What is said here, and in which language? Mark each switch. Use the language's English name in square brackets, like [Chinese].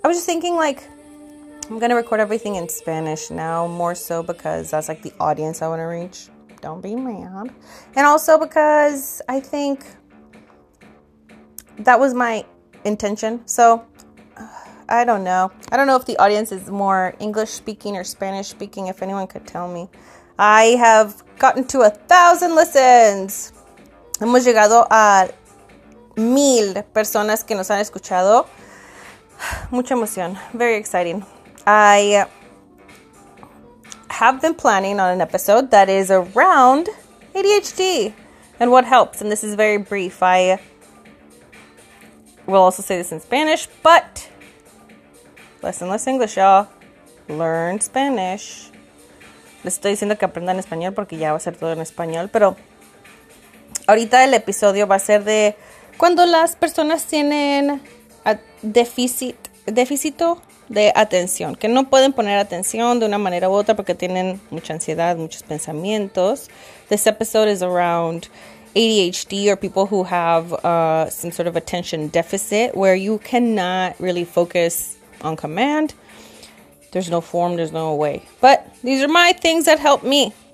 [English] I was just thinking, like, I'm going to record everything in Spanish now, more so because that's like the audience I want to reach. Don't be mad. And also because I think that was my intention. So, I don't know. I don't know if the audience is more English-speaking or Spanish-speaking, if anyone could tell me. I have gotten to 1,000 listens. [Spanish] Hemos llegado a 1,000 personas que nos han escuchado. Mucha emoción. [English] Very exciting. I have been planning on an episode that is around ADHD and what helps. And this is very brief. I will also say this in Spanish, but less and less English, y'all. Learn Spanish. [Spanish] Les estoy diciendo que aprendan español porque ya va a ser todo en español. Pero ahorita el episodio va a ser de cuando las personas tienen déficit de atención, que no pueden poner atención de una manera u otra porque tienen mucha ansiedad, muchos pensamientos. [English] This episode is around ADHD or people who have some sort of attention deficit where you cannot really focus on command. There's no form, there's no way. But these are my things that help me.